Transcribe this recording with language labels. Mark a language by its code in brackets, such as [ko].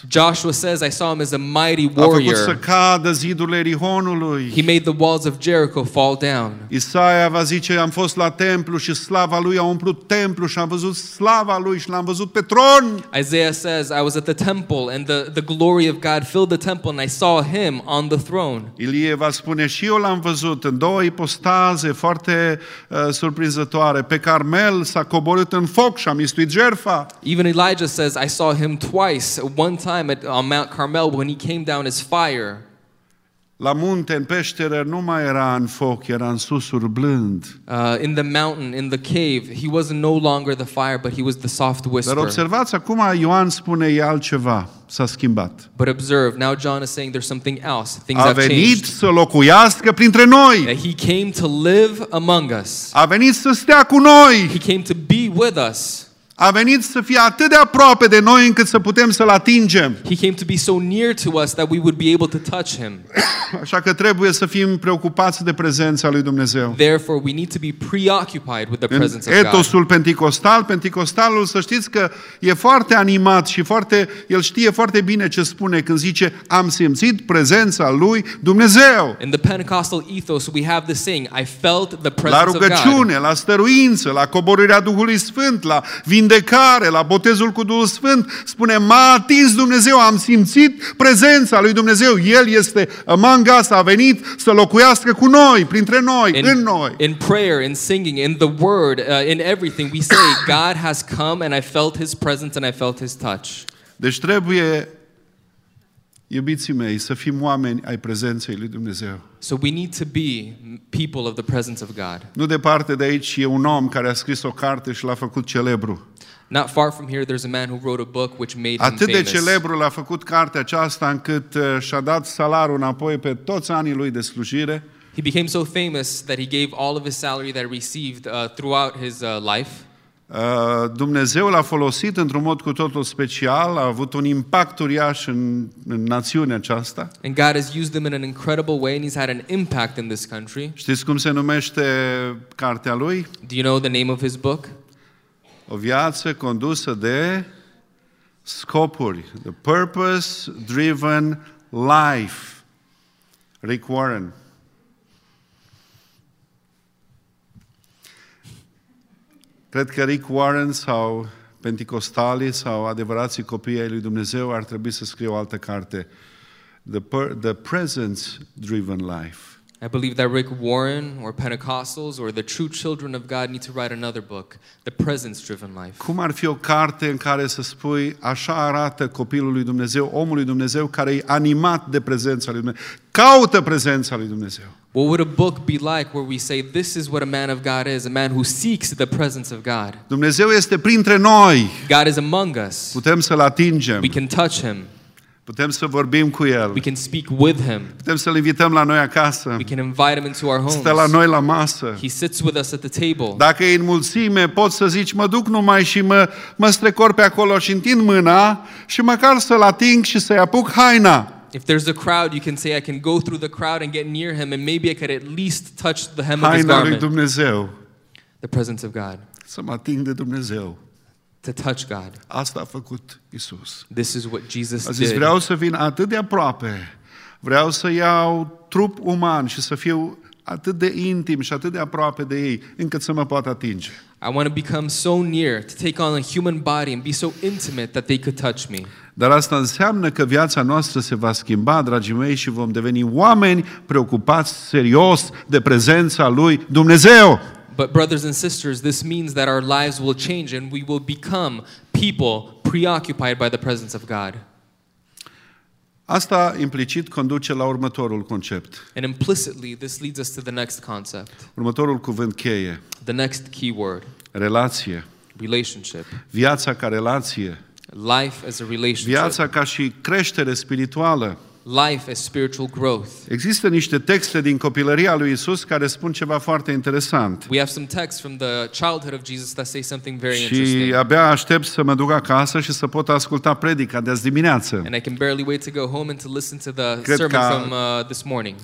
[en] Joshua says, I saw him as a mighty warrior. [ro] A făcut să cadă zidurile Erihonului. [en] He made the walls of Jericho fall down. [ro] Isaia va zice, am fost la templu și slava lui a umplut templu și am văzut slava lui și l-am văzut pe tron. [en] Isaiah says, I was at the temple and the glory of God filled the temple and I saw him on the throne. [ro] Ilie va spune, și eu l-am văzut în două ipostaze foarte surprinzătoare. Pe Carmel s-a coborât în foc și a mistuit jertfa. [en] Even Elijah says, I saw him twice, one time on Mount Carmel when he came down as fire. [ro] La munte, în peșteră, nu mai era în foc, era în susur blând. [en] In the mountain, in the cave, he was no longer the fire, but he was the soft whisper. [ro] Dar observați, acum Ioan spune, e altceva, s-a schimbat. [en] But observe, now John is saying there's something else, things have changed. [ro] A venit să locuiască printre noi. [en] That he came to live among us. [ro] A venit să stea cu noi. [en] He came to be with us. [ro] A venit să fie atât de aproape de noi încât să putem să-l atingem. [en] He came to be so near to us that we would be able to touch him. [ro] Așa că trebuie să fim preocupați de prezența lui Dumnezeu. [en] Therefore we need to be preoccupied with the presence of God. [ro] Etosul pentecostal, pentecostalul, să știți că e foarte animat și foarte, el știe foarte bine ce spune când zice am simțit prezența lui Dumnezeu. [en] In the Pentecostal ethos we have the saying I felt the presence of God. [ro] La rugăciune, la stăruință, la coborârea Duhului Sfânt, la vindecare, la botezul cu Duhul Sfânt, spune, m-a atins Dumnezeu, am simțit prezența lui Dumnezeu. El este [en] among us, [ro] a venit să locuiască cu noi, printre noi, [en] in, [ro] în noi. [en] In prayer, in singing, in the word, in everything, we say, God has come and I felt his presence and I felt his touch. [ro] Deci trebuie Iubiții mei, să fim oameni ai prezenței lui Dumnezeu. [en] So we need to be people of the presence of God. [ro] Nu departe de aici e un om care a scris o carte și l-a făcut celebru. [en] Not far from here there's a man who wrote a book which made him famous. [ro] Atât de celebru l-a făcut cartea aceasta încât și-a dat salariul înapoi pe toți anii lui de slujire. [en] He became so famous that he gave all of his salary that he received throughout his life. [ro] Dumnezeu l-a folosit într-un mod cu totul special, a avut un impact uriaș în, în națiunea aceasta. [en] And God has used him in an incredible way and he's had an impact in this country. [ro] Știți cum se numește cartea lui? [en] Do you know the name of his book? [ro] O viață condusă de scopuri. [en] The Purpose-Driven Life. Rick Warren. [ro] Cred că Rick Warren sau Pentecostalii sau adevărații copii ai lui Dumnezeu ar trebui să scrie o altă carte. [en] The Presence-Driven Life. I believe that Rick Warren or Pentecostals or the true children of God need to write another book, The Presence-Driven Life. [ro] Cum ar fi o carte în care să spui așa arată copilul lui Dumnezeu, omul lui Dumnezeu care e animat de prezența lui Dumnezeu, caută prezența lui Dumnezeu. [en] What would a book be like where we say this is what a man of God is, a man who seeks the presence of God? [ro] Dumnezeu este printre noi. [en] God is among us. [ro] Putem să-l atingem. [en] We can touch him. [ro] Putem să vorbim cu el. [en] We can speak with him. [ro] Putem să-l invităm la noi acasă. [en] We can invite him into our homes. [ro] Stă la noi la masă. [en] He sits with us at the table. [ro] Dacă e în mulțime, poți să zici, mă duc numai și mă strecor pe acolo și întind mâna și măcar să-l ating și să-i apuc haina. [en] If there's a crowd, you can say, I can go through the crowd and get near him and maybe I could at least touch the hem [ro] haina [en] of his garment. [ro] Haina lui Dumnezeu. [en] The presence of God. [ro] Să mă ating de Dumnezeu. [en] To touch God. [ro] Asta a făcut Isus. [en] This is what Jesus [ro] a zis, [en] did. [ro] Vreau să vin atât de aproape. Vreau să iau trup uman și să fiu atât de intim și atât de aproape de ei încât să mă poată atinge. [en] I want to become so near to take on a human body and be so intimate that they could touch me. [ro] Dar asta înseamnă că viața noastră se va schimba, dragii mei, și vom deveni oameni preocupați serios de prezența lui Dumnezeu. [en] But brothers and sisters, this means that our lives will change and we will become people preoccupied by the presence of God. [ro] Asta implicit conduce la următorul concept. [en] And implicitly, this leads us to the next concept. [ro] Următorul cuvânt cheie. [en] The next key word. [ro] Relație. [en] Relationship. [ro] Viața ca relație. [en] Life as a relationship. [ro] Viața ca și creștere spirituală. [en] Life as spiritual growth. [ro] Există niște texte din copilăria lui Isus care spun ceva foarte interesant. [en] We have some texts from the childhood of Jesus that say something very interesting. [ro] Și abia aștept să mă duc acasă și să pot asculta predica de azi dimineață. [en] And I can barely wait to go home and to listen to the sermon from this morning.